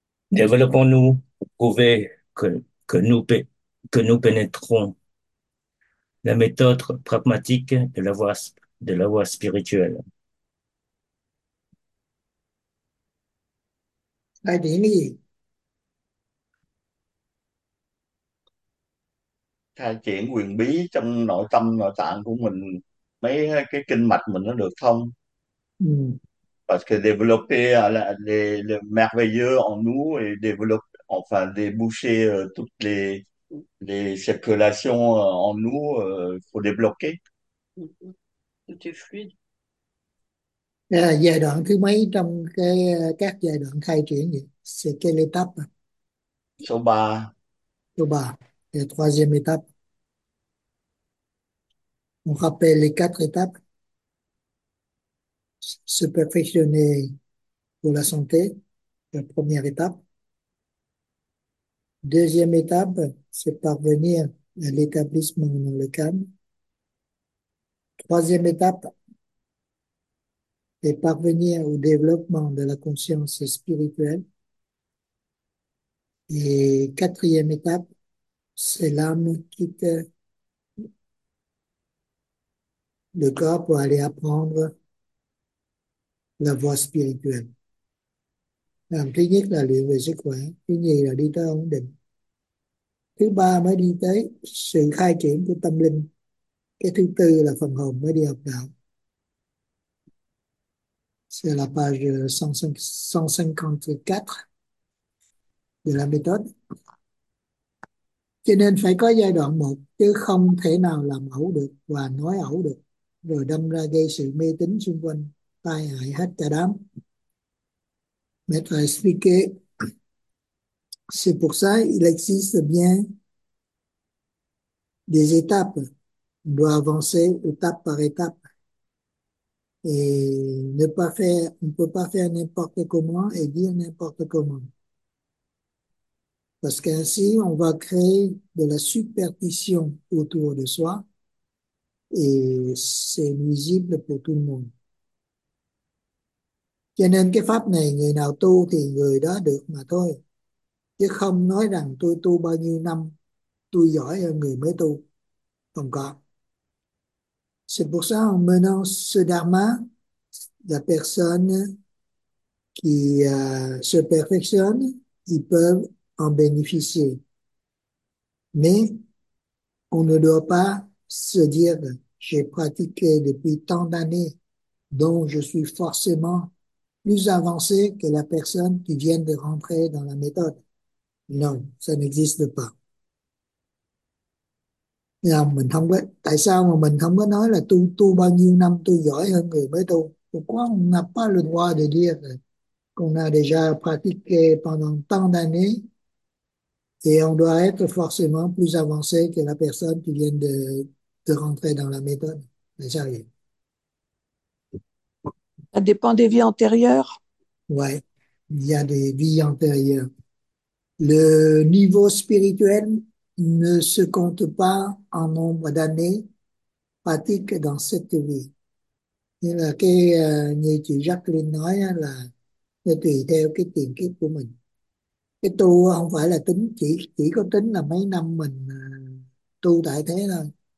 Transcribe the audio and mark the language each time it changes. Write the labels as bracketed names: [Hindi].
[French] Développons-nous pour prouver que nous pénétrons la méthode pragmatique de la voie spirituelle. [Vietnamese] Khai triển cái gì? Khai triển quyền bí trong nội tâm nội tạng của mình, mấy cái kinh mạch mình nó được thông. [French] Parce que les merveilleux en nous et développe enfin déboucher toutes les circulations en nous, faut débloquer. Tout est fluide. [Vietnamese] Giai đoạn thứ mấy trong cái các giai đoạn khai triển vậy? [French] C'est quelle étape? [Vietnamese] Số 3. Số 3, [French] la troisième étape. On rappelle les quatre étapes. Se perfectionner pour la santé, la première étape. Deuxième étape, c'est parvenir à l'établissement dans le calme. Troisième étape, et parvenir au développement de la conscience spirituelle. Et quatrième étape, c'est l'âme quitte le corps pour aller apprendre la voie spirituelle. [Vietnamese] Làm thứ nhất là luyện về sức khỏe, thứ nhì là đi tới ổn định, thứ ba mới đi tới sự khai triển của tâm linh, cái thứ tư là phần hồn mới đi học đạo. [French] C'est la page 154 de la méthode. [Vietnamese] Cho nên phải có giai đoạn một chứ không thể nào làm ẩu được và nói ẩu được, rồi đâm ra gây sự mê tín xung quanh, tai hại hết cả đám. [French] Maître a expliqué, c'est pour ça il existe bien des étapes. On doit avancer étape par étape. Et ne pas faire, on ne peut pas faire n'importe comment et dire n'importe comment. Parce qu'ainsi, on va créer de la superstition autour de soi et c'est nuisible pour tout le monde. [Vietnamese] Cho nên cái pháp này người nào tu thì người đó được mà thôi. Chứ không nói rằng tôi tu bao nhiêu năm, tôi giỏi hơn người mới tu. Không có. [French] C'est pour ça en menant ce dharma, la personne qui se perfectionne, ils peuvent en bénéficier. Mais on ne doit pas se dire, j'ai pratiqué depuis tant d'années, donc je suis forcément plus avancé que la personne qui vient de rentrer dans la méthode. Non, ça n'existe pas. [Vietnamese] Là mình không có, tại sao mà mình không có nói là tu tu bao nhiêu năm tôi giỏi hơn người mới tu? [French] Pourquoi on n'a pas le droit de dire qu'on a déjà pratiqué pendant tant d'années et on doit être forcément plus avancé que la personne qui vient de rentrer dans la méthode? Mais ça arrive. Ça dépend des vies antérieures. Ouais, il y a des vies antérieures. Le niveau spirituel ne se compte pas en nombre d'années pratiques dans cette vie. [Vietnamese] Nhưng là cái như chị Jacqueline nói là nó tùy theo cái tiền kiếp của mình. Cái tu không phải là tính, chỉ có tính là mấy năm mình tu tại thế thôi.